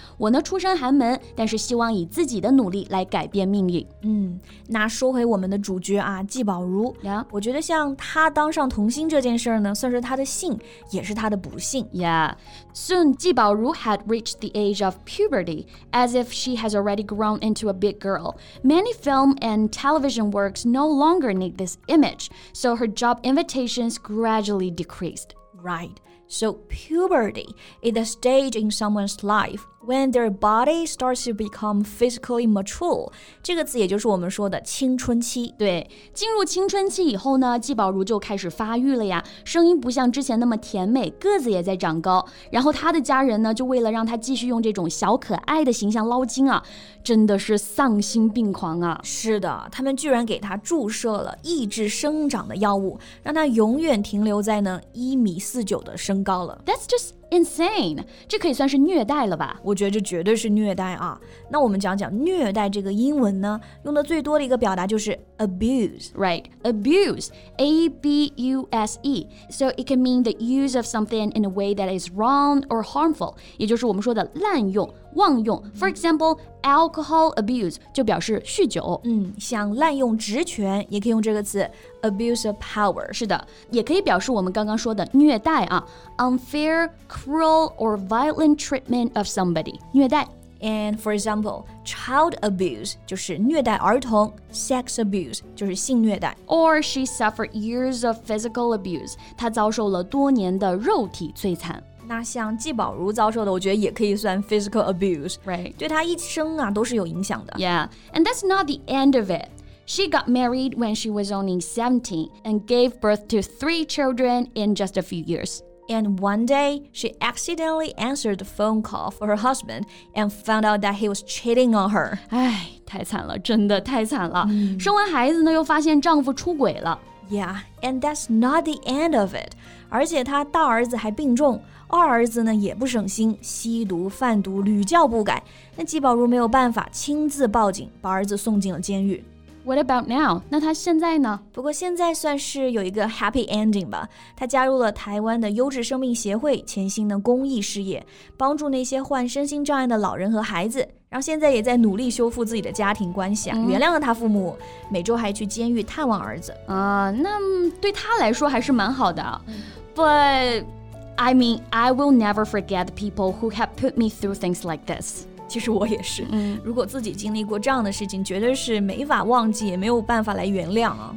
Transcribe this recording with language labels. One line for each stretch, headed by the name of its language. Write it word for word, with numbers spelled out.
Chinese: 我呢出身寒门，但是希望以自己的努力来改变命运。嗯，那说回我们的主角啊，纪宝如。
English: Yeah.
Chinese: 我觉得像她当上童星这件事呢，算是她的幸，也是她的不幸。
English: Yeah. Soon, 纪宝如 had reached the age of puberty, as if she has already grown into a big girl. Many film and television works no longer need this image, so her job invitations gradually decreased. Right. So puberty is a stage in someone's life when their body starts to become physically mature.
Chinese: 这个词也就是我们说的青春期。对，进入青春期以后呢，纪宝如就开始发育了呀，声音不像之前那么甜美，个子也在长高。然后他的家人呢，就为了让他继续用这种小可爱的形象捞金啊，真的是丧心病狂啊。是的，他们居然给他注射了抑制生长的药物，让他永远停留在呢一米四九的身高了。
English: That's just insane，
Chinese: 这可以算是虐待了吧？我觉得这绝对是虐待啊。那我们讲讲虐待这个英文呢，用的最多的一个表达就是 abuse。
English: Right, abuse, A B U S E. So it can mean the use of something in a way that is wrong or harmful.
Chinese: 也就是我们说的滥用、妄用。
English: For example, alcohol abuse
Chinese: 就表示酗酒。嗯，想滥用职权也可以用这个词 abuse of power。是的，也可以表示我们刚刚说的虐待啊。
English: Unfair, cruel or violent treatment of somebody.
Chinese: 虐待。
English: And for example, child abuse
Chinese: 就是虐待儿童
English: ，sex abuse
Chinese: 就是性虐待。
English: Or she suffered years of physical abuse.
Chinese: 她遭受了多年的肉体摧残。那像纪宝如遭受的，我觉得也可以算 physical abuse.
English: Right.
Chinese: 对她一生啊都是有影响的。
English: Yeah, and that's not the end of it. She got married when she was only seventeen and gave birth to three children in just a few years. And one day, she accidentally answered the phone call for her husband and found out that he was cheating on her.
Chinese: 唉，太惨了，真的太惨了。嗯。生完孩子呢，又发现丈夫出轨了。 Yeah, and that's not the end of it. 而且她大儿子还病重，二儿子呢也不省心，吸毒贩毒，屡教不改。那纪宝如没有办法，亲自报警，把儿子送进了监狱。
English: What about now?
Chinese: 那他现在呢？不过现在算是有一个 happy ending 吧。他加入了台湾的优质生命协会，潜心的公益事业，帮助那些患身心障碍的老人和孩子。然后现在也在努力修复自己的家庭关系啊，原谅了他父母，每周还去监狱探望儿子。啊，那对他来说还是蛮好的。
English: But I mean, I will never forget the people who have put me through things like this.
Chinese: 其实我也是，嗯，如果自己经历过这样的事情，绝对是没法忘记，也没有办法来原谅啊。